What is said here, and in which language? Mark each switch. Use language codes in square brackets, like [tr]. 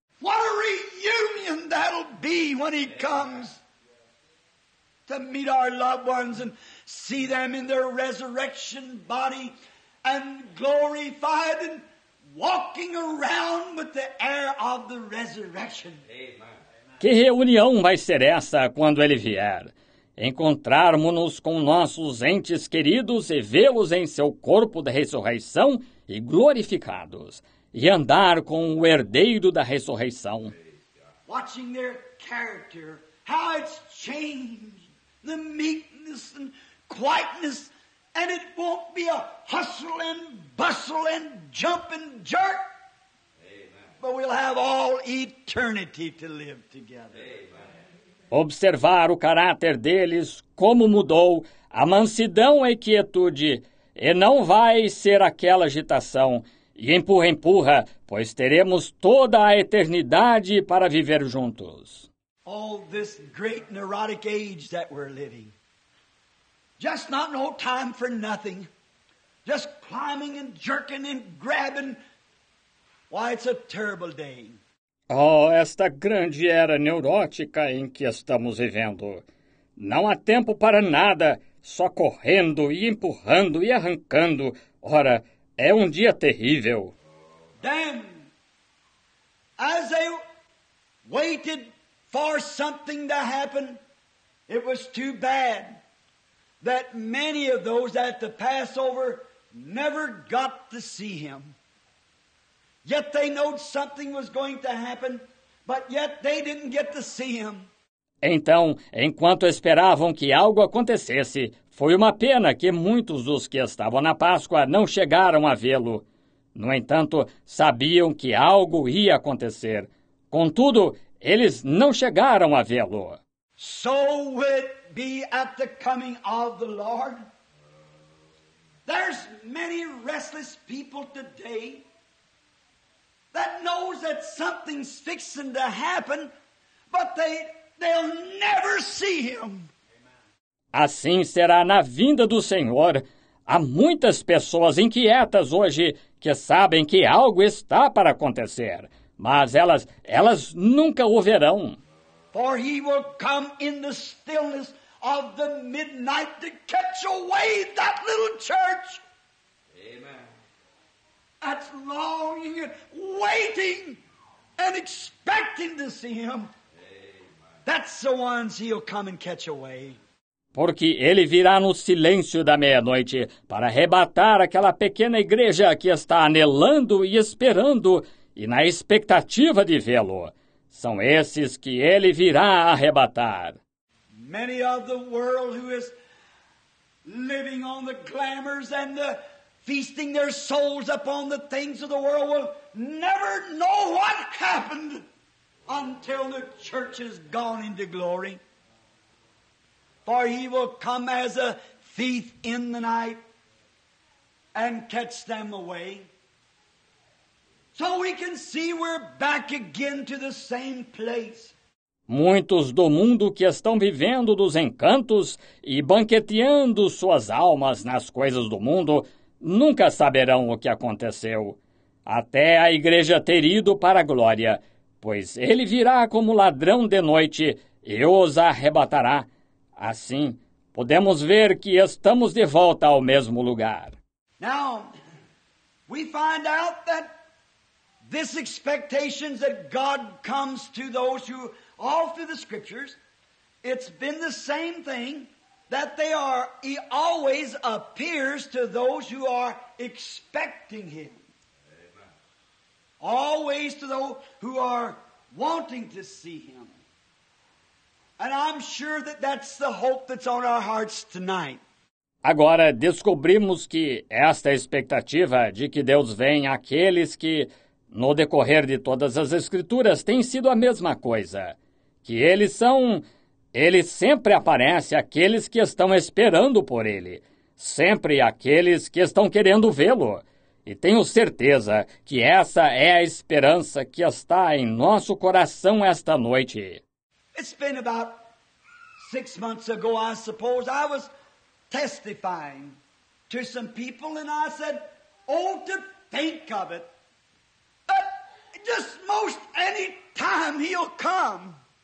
[en] What a reunion that'll be when he comes to meet our loved ones and see them in their resurrection body and glorified and walking around with the air of the resurrection. [pt] Que reunião vai ser essa quando ele vier? Encontrarmos-nos com nossos entes queridos e vê-los em seu corpo da ressurreição e glorificados, e andar com o herdeiro da ressurreição. [en] Watching their character, how it's changed, the meekness and quietness, and it won't be a hustle and bustle and jump and jerk. Amen. But we'll have all eternity to live together. Amen. [pt] Observar o caráter deles, como mudou, a mansidão e quietude, e não vai ser aquela agitação, e empurra, empurra, pois teremos toda a eternidade para viver juntos. [en] All this great neurotic age that we're living. Just not no time for nothing. Just climbing and jerking and grabbing. Why, it's a terrible day. [pt] Oh, esta grande era neurótica em que estamos vivendo. Não há tempo para nada, só correndo e empurrando e arrancando. Ora, é um dia terrível. [en] Then, as they waited for something to happen, it was too bad that many of those at the Passover never got to see him. Yet they know something was going to happen, but yet they didn't get to see him. [pt] Então, enquanto esperavam que algo acontecesse, foi uma pena que muitos dos que estavam na Páscoa não chegaram a vê-lo. No entanto, sabiam que algo ia acontecer. Contudo, eles não chegaram a vê-lo. [en] So it be at the coming of the Lord. There's many restless people today that knows that something's fixing to happen, but they'll never see him. [pt] Assim será na vinda do Senhor. Há muitas pessoas inquietas hoje que sabem que algo está para acontecer, mas elas nunca o verão. [en] For he will come in the stillness of the midnight to catch away that little church. Amen. That's longing and waiting and expecting to see him. Amen. That's the ones he'll come and catch away. [pt] Porque ele virá no silêncio da meia-noite para arrebatar aquela pequena igreja que está anelando e esperando e na expectativa de vê-lo. são esses que ele virá arrebatar. [en] Many of the world who is living on the glamours and the feasting their souls upon the things of the world will never know what happened until the church has gone into glory. For he will come as a thief in the night and catch them away. So we can see we're back again to the same place. [pt] Muitos do mundo que estão vivendo dos encantos e banqueteando suas almas nas coisas do mundo nunca saberão o que aconteceu, até a igreja ter ido para a glória, pois ele virá como ladrão de noite e os arrebatará. Assim, podemos ver que estamos de volta ao mesmo lugar. [en] Now, we find out that this expectation that God comes to those who, all through the scriptures, it's been the same thing. That they are, he always appears to those who are expecting him. Amen. Always to those who are wanting to see him. And I'm sure that that's the hope that's on our hearts tonight. [pt] Agora descobrimos que esta expectativa de que Deus vem àqueles que, no decorrer de todas as escrituras, tem sido a mesma coisa. Que eles são... Ele sempre aparece àqueles que estão esperando por ele, sempre àqueles que estão querendo vê-lo. E tenho certeza que essa é a esperança que está em nosso coração esta noite. [en] It's been about 6 months ago, I suppose, I was testifying to some people and I said, oh, to think of it, but just most any time he'll come.